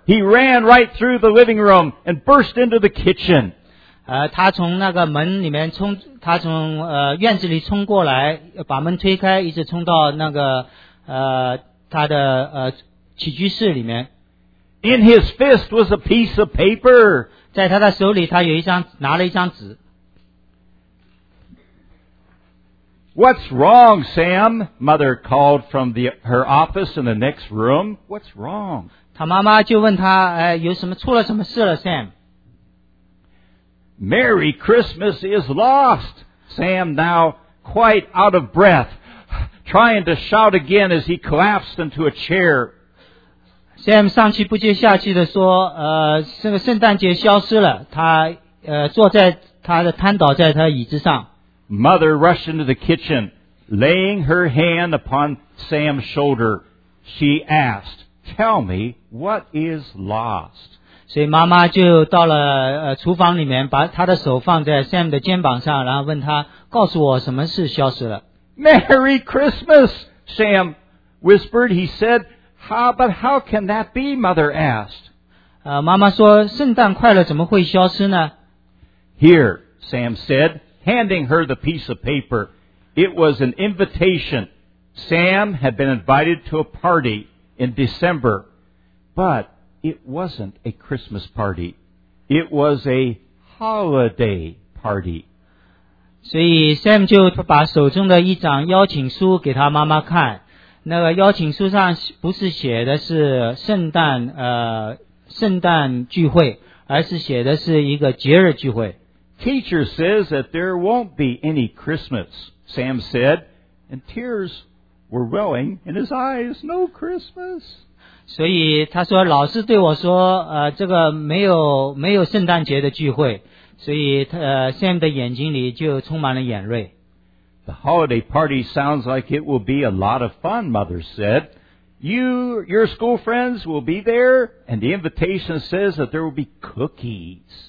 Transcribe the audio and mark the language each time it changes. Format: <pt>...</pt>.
<en>He ran right through the living room and burst into the kitchen.</en> <zh>他从那个门里面冲，他从院子里冲过来，把门推开，一直冲到那个他的起居室里面。</zh> <en>In his fist was a piece of paper.</en> <zh>在他的手里他有一张拿了一张纸。</zh> <en>What's wrong, Sam? Mother called from her office in the next room. What's wrong?</en> <zh>他妈妈就问他有什么出了什么事了 Sam?</zh> <en>Merry Christmas is lost. Sam now quite out of breath, trying to shout again as he collapsed into a chair.</en> <zh>Sam 上气不接下气地说这个圣诞节消失了，他坐在他的瘫倒在他椅子上。</zh> <en>Mother rushed into the kitchen, laying her hand upon Sam's shoulder. She asked, tell me, what is lost?</en> <zh>所以妈妈就到了厨房里面，把她的手放在 Sam 的肩膀上，然后问他，告诉我什么事消失了。</zh> <en>Merry Christmas, Sam whispered, he said,But how can that be, Mother asked.</en> <zh>妈妈说圣诞快乐怎么会消失呢?</zh> <en>Here, Sam said, handing her the piece of paper. It was an invitation. Sam had been invited to a party in December. But it wasn't a Christmas party. It was a holiday party.</en> <zh>所以 Sam 就把手中的一张邀请书给他妈妈看。那个邀请书上不是写的是圣诞聚会，而是写的是一个节日聚会。</zh> <en>Teacher says that there won't be any Christmas, Sam said, and tears were welling in his eyes. No Christmas.</en> <zh>所以他说老师对我说这个没有圣诞节的聚会，所以Sam 的眼睛里就充满了眼泪。</zh> <en>The holiday party sounds like it will be a lot of fun, Mother said. Your school friends will be there, and the invitation says that there will be cookies.</en>